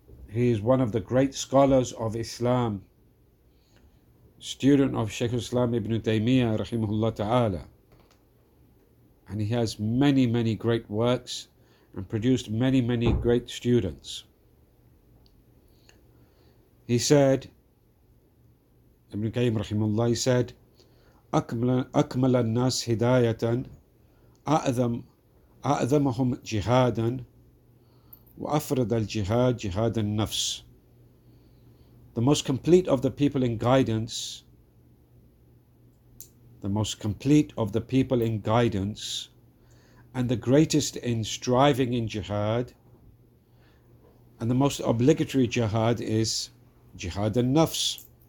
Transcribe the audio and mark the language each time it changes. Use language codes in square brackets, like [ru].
[en] He is one of the great scholars of Islam, student of Shaykh al-Islam Ibn Taymiyyah, rahimahullah ta'ala. And he has many, many great works and produced many, many great students. He said, Ibn Qayyim rahimahullah, he said, [ar] أكمل الناس هداية أعظمهم جهادا وأفرد الجهاد جهاد النفس. [en] The most complete of the people in guidance, the most complete of the people in guidance, and the greatest in striving in jihad, and the most obligatory jihad is jihad al-nafs.